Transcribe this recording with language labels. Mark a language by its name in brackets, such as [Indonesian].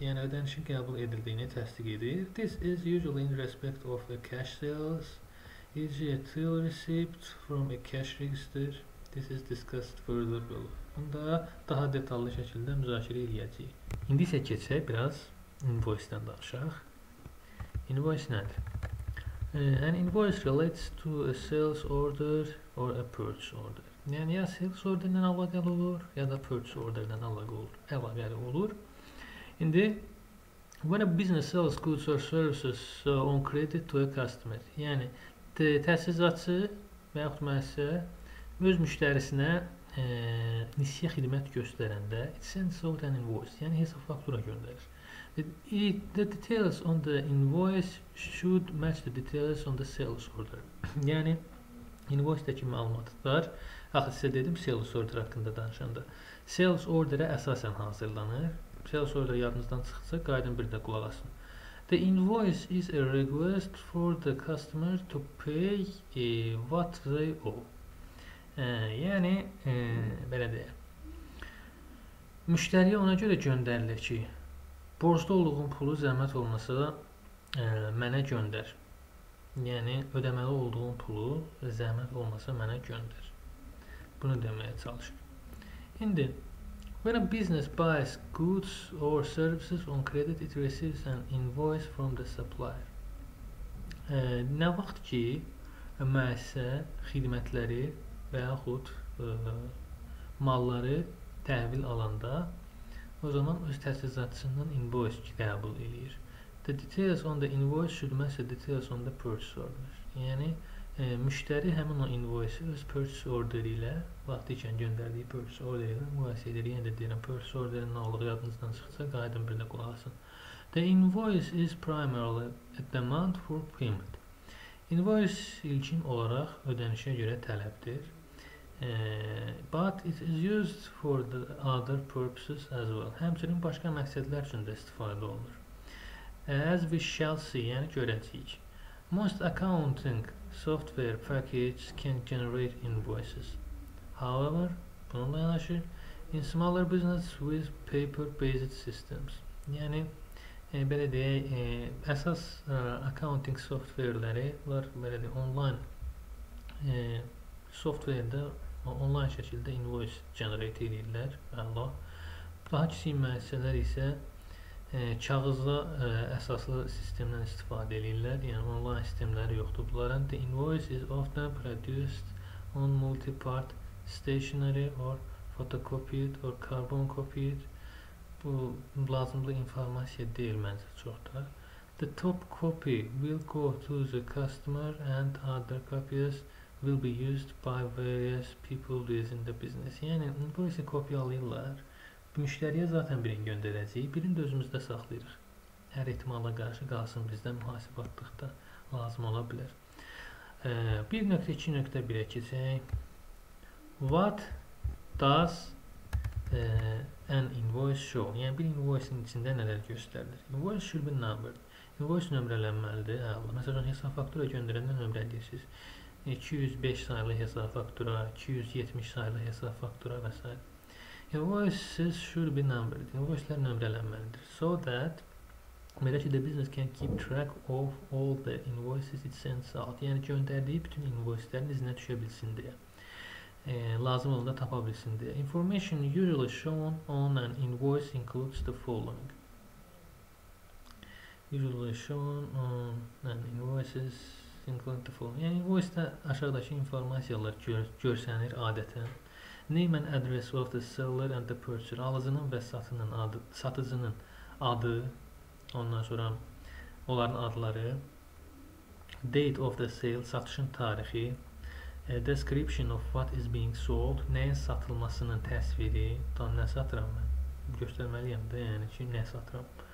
[Azerbaijani] Yəni ödənişin qəbul edildiyini təsdiq edir. [English] This is usually in respect of a cash sales. Is a till received from a cash register. This is discussed further below. [Azerbaijani] Bunda daha detallı şəkildə müzakirə edəcəyik. İndi isə keçək biraz invoice-dən danışaq. Invoice nədir? [English] An invoice relates to a sales order or a purchase order. [Azerbaijani] Yəni ya sales order-dən əlaqəli olur, ya da purchase order-dən əlaqəli olur. [English] İndi when a business sells goods or services on credit to a customer. [Azerbaijani] Yəni təchizatçı və yaxud müəssisə öz müştərisinə nisiyə xidmət göstərəndə [English] it sends out an invoice, [Azerbaijani] yəni hesab faktura göndərir. [English] The details on the invoice should match the details on the sales order. Yəni [Azerbaijani] invoice'daki məlumatlar, axı sizə dedim sales order haqqında danışanda. Sales order-ə əsasən hazırlanır. Sales order yadınızdan çıxsa, qaydın bir də qulaq asın. [English] The invoice is a request for the customer to pay what they owe. [Azerbaijani] Yəni, belə deyək. Müştəriyə ona görə göndərilir ki, borcda olduğum pulu zəhmət olmasa mənə göndər. Yəni, ödəməli olduğum pulu zəhmət olmasa mənə göndər. Bunu deməyə çalışır. [English] İndi, when a business buys goods or services on credit, it receives an invoice from the supplier. [Azerbaijani] Nə vaxt ki, müəssisə xidmətləri və yaxud malları təhvil alanda, o zaman öz təchizatçısından invoice qəbul edir. [English] The details on the invoice should match the details on the purchase order. [Azerbaijani] Yəni, müştəri həmin o invoice-i öz purchase order ilə, vaxtı ikən göndərdiyi purchase order ilə müqayisə edir. Yəni, deyirəm, purchase order-in nə olduğu yadınızdan çıxsa, qaydın birinə qulaq asın. [English] The invoice is primarily a demand for payment. [Azerbaijani] Invoice ilkin olaraq ödənişə görə tələbdir. [English] But it is used for the other purposes as well. [Azerbaijani] Həmçinin başqa məqsədlər üçün də istifadə olunur. [English] As we shall see, [Azerbaijani] yəni görəcəyik. [English] Most accounting software packages can generate invoices. However, [Azerbaijani] bununla yanaşı, [English] in smaller business with paper-based systems. [Azerbaijani] Yəni, belə deyək, əsas accounting software-ləri var, belə deyək, online software-də online şəkildə invoice generate edirlər. Allah. Daha kiçik müəssisələr isə kağızla əsaslı sistemdən istifadə edirlər. Yəni, online sistemləri yoxdur bunların. [English] The invoice is often produced on multi-part stationery or photocopied or carbon copied. [Azerbaijani] Bu, lazımlı informasiya deyil məncə çox da. [English] The top copy will go to the customer and other copies will be used by various people within the business. [Azerbaijani] Yəni, invoice-i kopyalayırlar. Müştəriyə zaten birini göndərəcəyik, birini də özümüzdə saxlayırıq. Hər ehtimala qarşı qalsın bizdə mühasibatlıqda lazım ola bilər. 1.2.1-ə keçək. [English] What does an invoice show? [Azerbaijani] Yəni, bir invoice-in içində nələr göstərilir? [English] Invoice should be numbered. [Azerbaijani] Invoice nömrələnməlidir. Əla. Məsələn, hesab faktura göndərəndə nömrələyirsiniz. 205 sayılı hesab faktura, 270 sayılı hesab faktura və s. [English] Invoices should be numbered. [Azerbaijani] Invoice-lər nömrələnməlidir. [English] So that, [Azerbaijani] belə ki, [English] the business can keep track of all the invoices it sends out. [Azerbaijani] Yəni, göndərdiyi bütün invoice-lərin izinə düşə bilsin deyə. Lazım olanda tapa bilsin deyə. [English] Information usually shown on an invoice includes the following. Usually shown on an invoices include the following. [Azerbaijani] Yəni, invoice-də aşağıdakı informasiyalar görsənir adətən. [English] Name and address of the seller and the purchaser. [Azerbaijani] Alıcının və satının adı, satıcının adı, ondan sonra onların adları, [English] date of the sale, [Azerbaijani] satışın tarixi, [English] a description of what is being sold, [Azerbaijani] nəyin satılmasının təsviri, tam nə satıram mən, göstərməliyəm də, yəni ki, nə satıram.